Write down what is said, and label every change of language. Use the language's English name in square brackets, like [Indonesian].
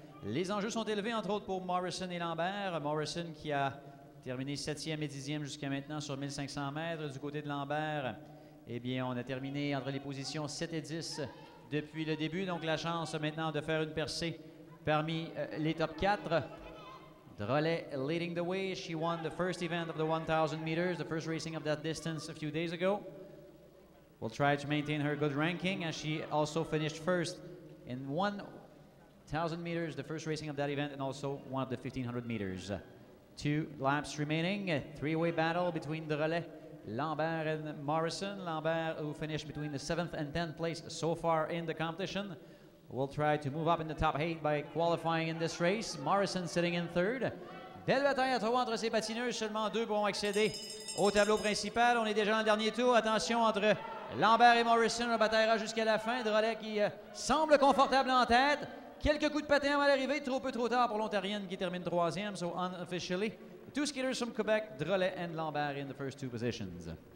[French] Les enjeux sont élevés, entre autres pour Morrison et Lambert. Morrison qui a terminé 7e et 10e jusqu'à maintenant sur 1500 mètres. Du côté de Lambert, eh bien, on a terminé entre les positions 7 et 10 depuis le début. Donc la chance maintenant de faire une percée parmi les top 4. [English] Drolet leading the way. She won the first event of the 1,000 meters, the first racing of that distance a few days ago. We'll try to maintain her good ranking as she also finished first in 1,000 meters, the first racing of that event, and also one of the 1,500 meters. Two laps remaining. A three-way battle between Drolet, Lambert, and Morrison. Lambert, who finished between the 7th and 10th place so far in the competition, we'll try to move up in the top 8 by qualifying in this race. Morrison sitting in third. [French] Belle bataille à trois entre ces patineuses. Seulement deux pourront accéder au tableau principal. On est déjà dans le dernier tour. Attention entre Lambert et Morrison. On bataillera jusqu'à la fin. Drolet qui semble confortable en tête. Quelques coups de patin à l'arrivée. Trop peu trop tard pour l'Ontarienne qui termine troisième. [English] So unofficially, two skaters from Quebec, Drolet and Lambert in the first two positions.